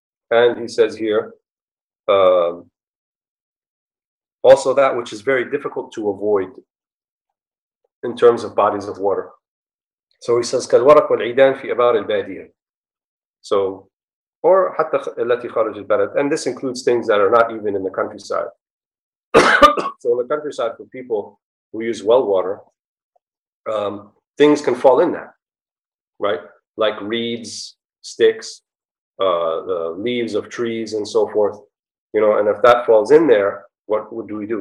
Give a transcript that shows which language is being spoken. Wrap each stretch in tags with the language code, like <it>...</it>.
<en>And he says here, also that which is very difficult to avoid in terms of bodies of water. So he says,</en> <ar>كَالْوَرَقْ وَالْعِدَانِ فِي أَبَارِ الْبَادِيَةِ.</ar> <en>So, or</en> <ar>حَتَّى الَّتِي خَارَجِ الْبَلَدِ.</ar> <en>And this includes things that are not even in the countryside. So in the countryside, for people who use well water, things can fall in that, right? Like reeds, sticks, the leaves of trees and so forth, you know, and if that falls in there, what do we do?</en>